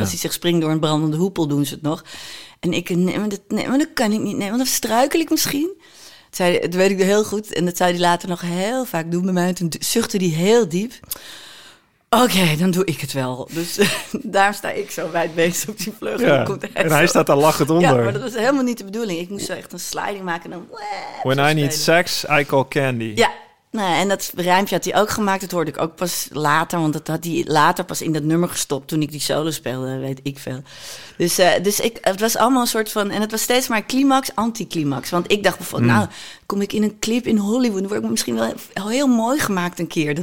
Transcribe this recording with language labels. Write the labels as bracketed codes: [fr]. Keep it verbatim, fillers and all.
[nl] als hij zich springt door een brandende hoepel doen ze het nog. En ik, nee, maar dat, nee, maar dat kan ik niet. Nee, want dan struikel ik misschien. zei, dat weet ik heel goed. En dat zou hij later nog heel vaak doen bij mij. En toen zuchtte hij heel diep. Oké, okay, dan doe ik het wel. Dus euh, daar sta ik zo wijdbeest op die vleugel. Ja, en, en hij staat daar lachend onder. Ja, maar dat was helemaal niet de bedoeling. Ik moest zo echt een sliding maken en dan... [en] When I need sex, I call candy. [nl] Ja, nou, en dat rijmpje had hij ook gemaakt. Dat hoorde ik ook pas later. Want dat had hij later pas in dat nummer gestopt toen ik die solo speelde. Weet ik veel. Dus, uh, dus ik, het was allemaal een soort van... En het was steeds maar climax, anticlimax. Want ik dacht bijvoorbeeld... Mm. Nou, kom ik in een clip in Hollywood... Dan word ik misschien wel heel mooi gemaakt een keer.